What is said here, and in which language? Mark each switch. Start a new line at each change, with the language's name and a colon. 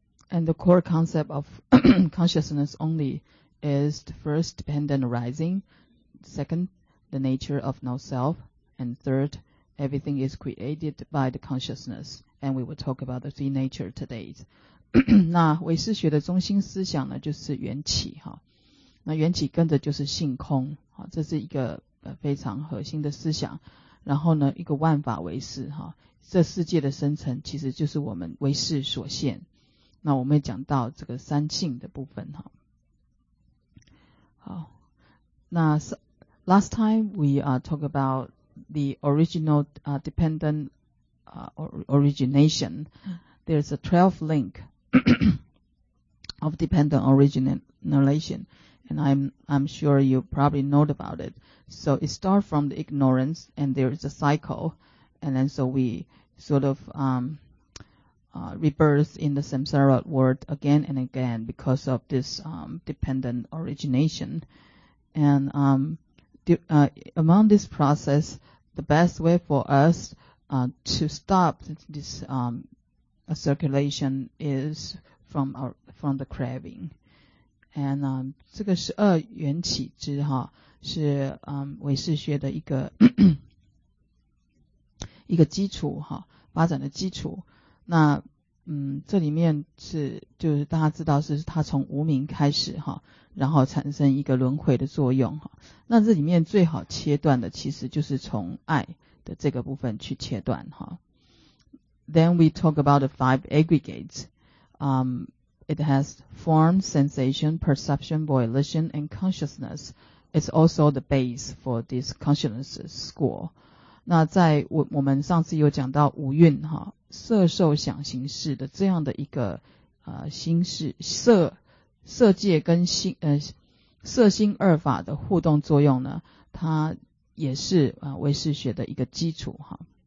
English: And the core concept of consciousness only is the first dependent arising, second the nature of no self, and third everything is created by the consciousness. And we will talk about the three nature today.
Chinese: 那唯识学的中心思想呢，就是缘起哈。那缘起跟着就是性空，好，这是一个非常核心的思想。然后呢，一个万法唯识哈，这世界的生成其实就是我们唯识所现。那我们也讲到这个三性的部分哈。好，那
English: last time we talk about the original dependent origination. There's a 12th link of dependent origination, and I'm sure you probably know about it. So it starts from the ignorance, and there is a cycle, and then so we sort of rebirth in the samsara world again and again because of this dependent origination. And among this process, the best way for us to stop this circulation is from the craving.
Chinese: And 这个十二缘起之哈，是唯识学的一个一个基础哈，发展的基础。那这里面是就是大家知道是它从无明开始哈，然后产生一个轮回的作用哈。那这里面最好切断的其实就是从爱的这个部分去切断哈。
English: Then we talk about the five aggregates. It has form, sensation, perception, volition, and consciousness. It's also the base for this consciousness school.
Chinese: 那在我们上次有讲到五蕴哈。色受想行识的这样的一个心识色界跟心色心二法的互动作用呢，它也是唯识学的一个基础哈。